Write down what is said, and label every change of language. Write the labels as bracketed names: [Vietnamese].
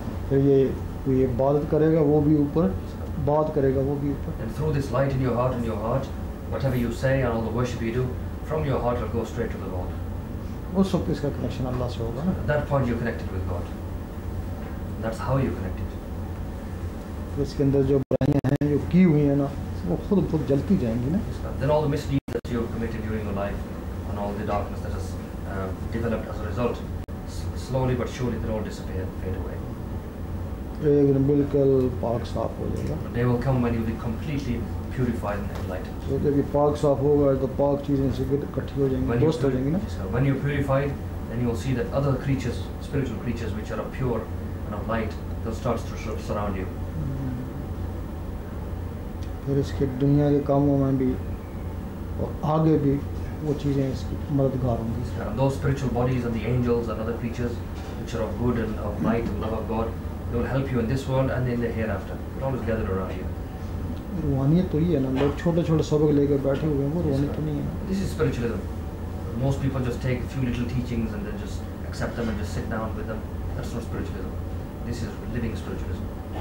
[Hindi] Phir ye koi ibadat karega wo bhi upar baat karega wo bhi upar. [English] And through this light in your heart, whatever you say and all the worship you do, from your heart will go straight to the Lord. [Hindi] Wo sab iska connection Allah se hoga na. [English] That point you're connected with God. That's how you connect it. [Hindi] इसके अंदर जो बुराइयां हैं जो की हुई हैं ना वो खुद खुद जलती जाएंगी ना. [English] Then all the misdeeds that you have committed during your life and all the darkness that has developed as a result, slowly but surely they all disappear, fade away. [Hindi] बिल्कुल पाक साफ हो जाएगा. [English] They will come when you will be completely purified and enlightened. [Hindi] तो जब ये पाक साफ होगा तो पाक चीजें से इकट्ठी हो जाएंगी, दोस्त हो जाएंगी ना. [English] When you purified, then you will see that other creatures, spiritual creatures which are of pure and of light, they'll start to surround you. [Hindi] फिर इसके दुनिया के कामों में भी और आगे भी वो चीजें इसकी मददगार होंगी. [English] Those spiritual bodies and the angels and other creatures which are of good and of light and love of God, they will help you in this world and in the hereafter. It all is gathered around you. [Hindi] रूहानियत तो ही है ना, लोग छोटे छोटे सबक लेकर बैठे हुए हैं, वो रूहानियत तो नहीं है. [English] This is spiritualism. Most people just take a few little teachings and then just accept them and just sit down with them. That's not spiritualism. This is living spiritualism.